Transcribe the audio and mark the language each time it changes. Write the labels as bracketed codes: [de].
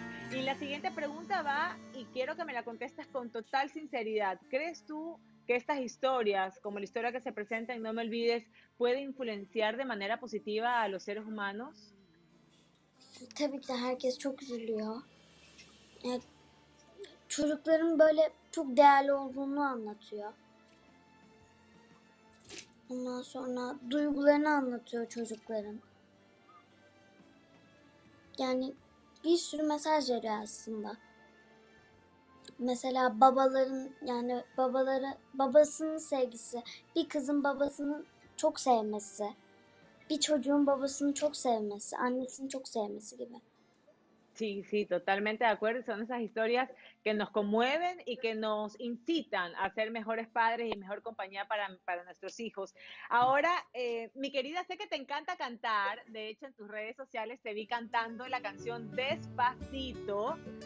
[es] Y la siguiente pregunta va, y quiero que me la contestes con total sinceridad. ¿Crees tú que estas historias, como la historia que se presenta en No Me Olvides, puede influenciar de manera positiva a los seres humanos? [tr] Tabii ki de herkes çok üzülüyor. Çocukların böyle çok değerli olduğunu anlatıyor. Ondan sonra duygularını anlatıyor çocukların. Yani bir sürü mesaj veriyor aslında. Mesela babaların yani babaları babasının sevgisi, bir kızın babasını çok sevmesi, bir çocuğun babasını çok sevmesi, annesini çok sevmesi gibi. [es] Sí, totalmente de acuerdo. Son esas historias que nos conmueven y que nos incitan a ser mejores padres y mejor compañía para nuestros hijos. Ahora, mi querida, sé que te encanta cantar. De hecho, en tus redes sociales te vi cantando la canción Despacito.